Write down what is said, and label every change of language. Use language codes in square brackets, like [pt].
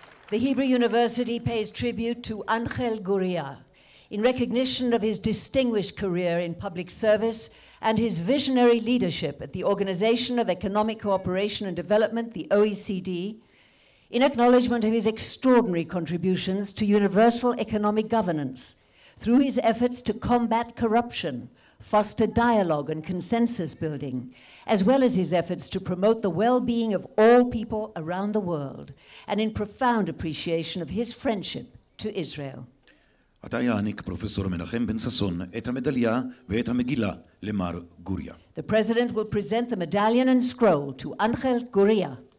[en] The Hebrew University pays tribute to Angel Gurria in recognition of his distinguished career in public service and his visionary leadership at the Organization of Economic Cooperation and Development, the OECD, in acknowledgement of his extraordinary contributions to universal economic governance through his efforts to combat corruption foster dialogue and consensus building, as well as his efforts to promote the well-being of all people around the world, and in profound appreciation of his friendship to Israel. [he] אתה יעניק פרופסור מנחם בן ססון את המדליה ואת המגילה למר גוריה. [en] The president will present the medallion and scroll to Angel Gurria.